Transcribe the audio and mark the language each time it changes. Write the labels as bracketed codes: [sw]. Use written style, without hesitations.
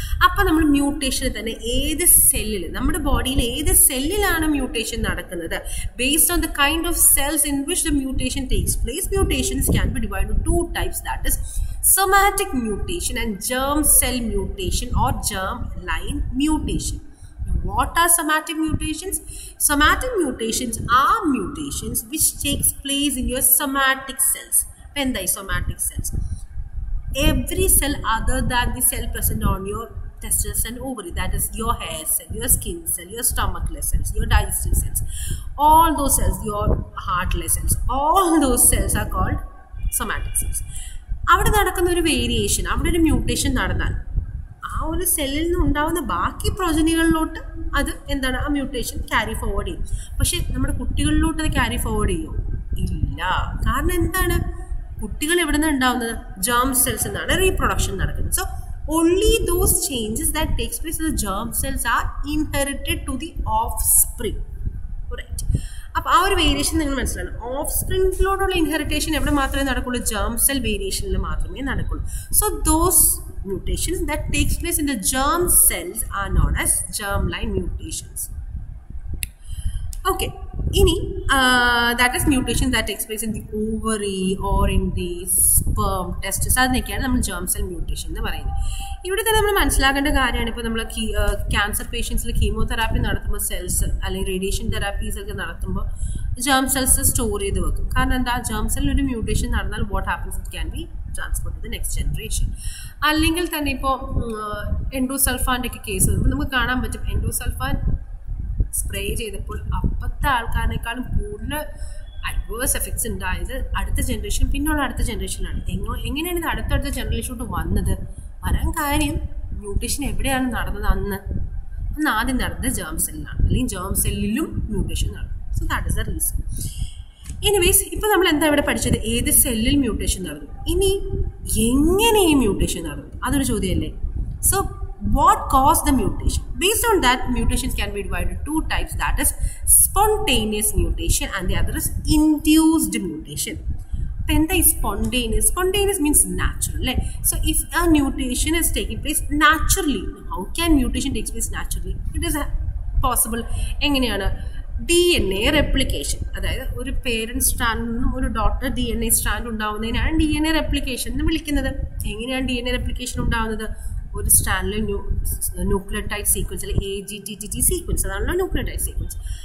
[ml] അപ്പം നമ്മൾ മ്യൂട്ടേഷനിൽ തന്നെ ഏത് സെല്ലിൽ, നമ്മുടെ ബോഡിയിൽ ഏത് സെല്ലിലാണ് മ്യൂട്ടേഷൻ നടക്കുന്നത്, [en] Based on the kind of cells in which the mutation takes place, mutations can be divide to two types. That is somatic mutation and germ cell mutation or germ line mutation. What are somatic mutations? Somatic mutations are mutations which takes place in your somatic cells. When the somatic cells, every cell other than the cell present on your testes and ovary, that is your hair cell, your skin cell, your stomach cells, your digestive cells, all those cells, your heart cells, all those cells are called somatic cells. [ml] അവിടെ നടക്കുന്ന ഒരു variation, അവിടെ ഒരു mutation നടന്നാൽ ആ ഒരു സെല്ലിൽ നിന്ന് ഉണ്ടാവുന്ന ബാക്കി പ്രോജനികളിലോട്ട് അത് എന്താണ് ആ മ്യൂട്ടേഷൻ ക്യാരി ഫോർവേഡ് ചെയ്യും. പക്ഷെ നമ്മുടെ കുട്ടികളിലോട്ട് അത് ക്യാരി ഫോർവേഡ് ചെയ്യുമോ? ഇല്ല. കാരണം എന്താണ്? കുട്ടികൾ എവിടെ നിന്ന് ഉണ്ടാവുന്നത്? ജേം സെൽസ് എന്നാണ് റീപ്രൊഡക്ഷൻ നടക്കുന്നത്. [en] So only those changes that takes place in the germ cells are inherited to the offspring. Right. [ml] അപ്പോൾ ആ ഒരു വേരിയേഷൻ നിങ്ങൾ മനസ്സിലാണ്. ഓഫ് സ്പ്രിംഗിലോടുള്ള ഇൻഹെറിറ്റേഷൻ എവിടെ മാത്രമേ നടക്കുള്ളൂ? ജേം സെൽ വേരിയേഷനിൽ മാത്രമേ നടക്കുള്ളൂ. [en] So those mutations that takes place in the germ cells are known as germline mutations. Okay, ഇനി that is mutation that takes place in the ovary or in the sperm testis, [ml] അതിനൊക്കെയാണ് നമ്മൾ germ cell mutation എന്ന് പറയുന്നത്. ഇവിടെ തന്നെ നമ്മൾ മനസ്സിലാക്കേണ്ട കാര്യമാണ്, ഇപ്പോൾ നമ്മൾ ക്യാൻസർ പേഷ്യൻസിൽ കീമോതെറാപ്പി നടത്തുമ്പോൾ സെൽസ് അല്ലെങ്കിൽ റേഡിയേഷൻ തെറാപ്പീസൊക്കെ നടത്തുമ്പോൾ ജേം സെൽസ് സ്റ്റോർ ചെയ്ത് വെക്കും. കാരണം എന്താ, ജേം സെല്ലിൽ ഒരു മ്യൂട്ടേഷൻ നടന്നാൽ [en] What happens, it can be transport to the next generation. [ml] അല്ലെങ്കിൽ തന്നെ ഇപ്പോൾ എൻഡോസൾഫാൻ്റെ ഒക്കെ കേസ് വരുമ്പോൾ നമുക്ക് കാണാൻ പറ്റും, എൻഡോസൾഫാൻ സ്പ്രേ ചെയ്തപ്പോൾ അപ്പോഴത്തെ ആൾക്കാരനേക്കാളും കൂടുതൽ അഡ്വേഴ്സ് എഫക്ട്സ് ഉണ്ടായത് അടുത്ത ജനറേഷൻ പിന്നുള്ള അടുത്ത ജനറേഷനാണ്. എങ്ങനെയാണ് ഇത് അടുത്തടുത്ത ജനറേഷനോട്ട് വന്നത്? വരാൻ കാര്യം മ്യൂട്ടേഷൻ എവിടെയാണ് നടന്നത്? അന്ന് ആദ്യം നടന്നത് ജേം സെല്ലിലാണ്, അല്ലെങ്കിൽ ജേം സെല്ലിലും മ്യൂട്ടേഷൻ നടന്നു. [en] So that is the reason. [ml] Anyways, ഇപ്പോൾ നമ്മൾ എന്താ ഇവിടെ പഠിച്ചത്? ഏത് സെല്ലിൽ മ്യൂട്ടേഷൻ നടന്നു, ഇനി എങ്ങനെ ഈ മ്യൂട്ടേഷൻ നടന്നു, അതൊരു ചോദ്യമല്ലേ. [en] So what caused the mutation? Based on that, mutations can be divided two types, that is spontaneous mutation and the other is induced mutation. Penda is spontaneous. Spontaneous means natural, right? So if a mutation is taking place naturally, how can mutation take place naturally? It is possible. [ml] Enginiana DNA replication, അതായത് ഒരു parent സ്ട്രാൻഡിൽ നിന്നും ഒരു daughter D N A strand ഉണ്ടാവുന്നതിനാണ് D N A replication എന്ന് വിളിക്കുന്നത്. എങ്ങനെയാണ് D N A replication ഉണ്ടാവുന്നത്? ഒരു സ്ട്രാൻഡിലെ nucleotide sequence അല്ലെങ്കിൽ A G T G T sequence, അതാണല്ലോ ന്യൂക്ലിയോടൈഡ് സീക്വൻസ്.